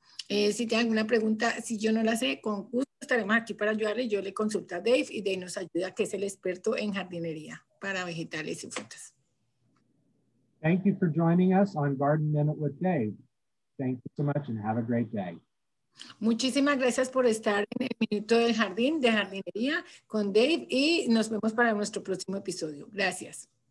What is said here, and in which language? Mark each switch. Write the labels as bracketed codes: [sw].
[es] Si tienen alguna pregunta, si yo no la sé, con gusto estaremos aquí para ayudarle. Yo le consulto a Dave y Dave nos ayuda, que es el experto en jardinería para vegetales y frutas. [en] Thank you for joining us on Garden Minute with Dave. Thank you so much and have a great day. [es] Muchísimas gracias por estar en el minuto del jardín de jardinería con Dave, y nos vemos para nuestro próximo episodio. Gracias.